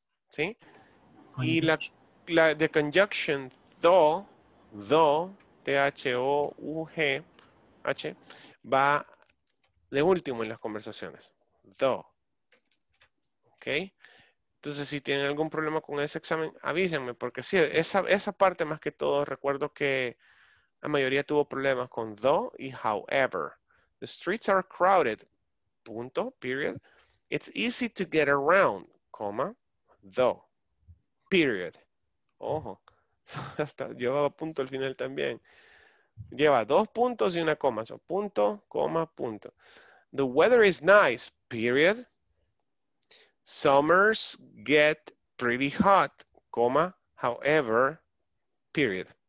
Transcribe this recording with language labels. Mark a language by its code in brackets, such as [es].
[es] ¿Sí? Y la the conjunction though, va de último en las conversaciones. Though. ¿Ok? Entonces, si tienen algún problema con ese examen, avísenme, porque sí, esa parte más que todo, recuerdo que la mayoría tuvo problemas con though y however. [en] The streets are crowded, punto, period. It's easy to get around, comma, though, period. [es] Ojo, hasta llevaba punto al final también. Lleva 2 puntos y una coma, so, punto, coma, punto. [en] The weather is nice, period. Summers get pretty hot, comma, however, period.